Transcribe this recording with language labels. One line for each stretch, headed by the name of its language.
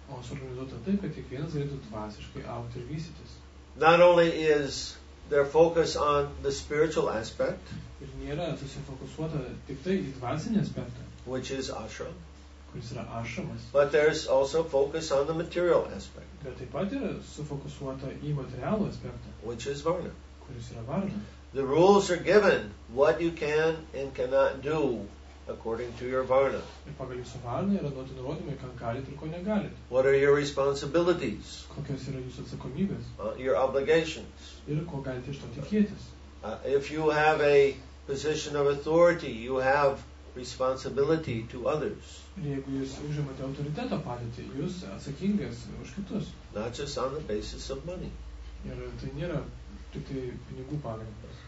Lithuanian: O suorganizuota taip, kad kiekvienas galėtų dvasiškai augti ir vystytis.
English: Not only is their focus on the spiritual aspect,
Lithuanian: ir nėra susifokusuota tik tai į dvasinį aspektą,
English: which is ashram,
Lithuanian: kuris yra ashramas,
English: but there is also focus on the material aspect,
Lithuanian: bet taip pat yra sufokusuota į materialų aspektą,
English: which is varna,
Lithuanian: kuris yra varna.
English: The rules are given what you can and cannot do according to your varna.
Lithuanian: Ir pagal jūsų varną yra duoti nurodymai, ką galite ir ko negalite.
English: What are your responsibilities?
Lithuanian: Kokios yra jūsų atsakomybės?
English: Your obligations.
Lithuanian: Ir ko galite iš to tikėtis?
English: If you have a position of authority, you have responsibility to others.
Lithuanian: Ir jeigu jūs užimate autoriteto padėtį, jūs atsakingas už kitus.
English: Not just on the basis of money.
Lithuanian: Ir tai nėra tik tai pinigų pagrindas.